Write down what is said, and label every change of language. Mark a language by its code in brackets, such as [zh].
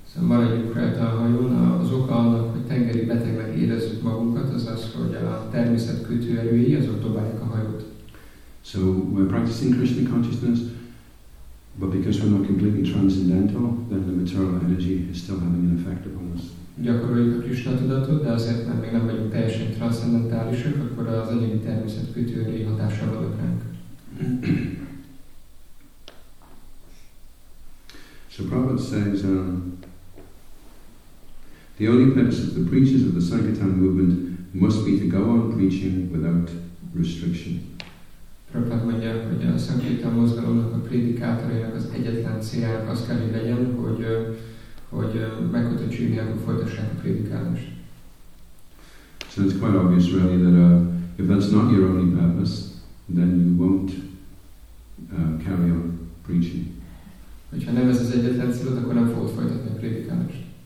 [hu] So maradjunk rajta a hajón, az oka annak, hogy tengeri betegnek érezzük magunkat, az, hogy a természet kötőerői azok dobálják a hajót. [en] So we're practicing Krishna consciousness, but because we're not completely transcendental, then the material energy is still having an effect upon us. [hu] Gyakoroljuk a Krishna tudatot, de azért, mert még nem vagyunk teljesen transzcendentálisak, akkor az egyéni természet kötőerői hatással vannak ránk. [en] So Prabhupada says, the only purpose of the preachers of the Sankirtan movement must be to go on preaching without restriction. [hu] Prabhupada mondja, hogy a Sankirtan mozgalomnak a prédikátorainak az egyetlen céljának az kell, hogy legyen, hogy megkötöttségnél folytassák a prédikálást. [en] So it's quite obvious really that if that's not your only purpose, then you won't carry on preaching. [hu] Hogyha nem ez az egyetlen célod, akkor nem fogod folytatni a prédikálást.